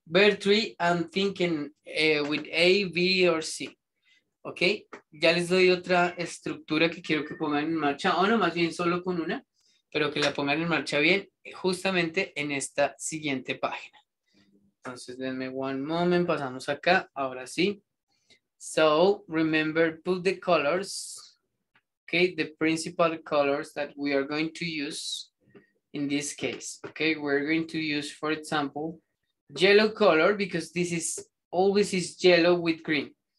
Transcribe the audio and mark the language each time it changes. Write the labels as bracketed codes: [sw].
[en] Bear tree, I'm thinking with A, B or C. [es] Ok, ya les doy otra estructura que quiero que pongan en marcha. No, más bien solo con una, pero que la pongan en marcha bien, justamente en esta siguiente página. Entonces, denme [en] one moment, [es] pasamos acá. Ahora sí. [en] So, remember, put the colors... Okay, the principal colors that we are going to use in this case. Okay, we're going to use, for example, yellow color because this is always is yellow with green.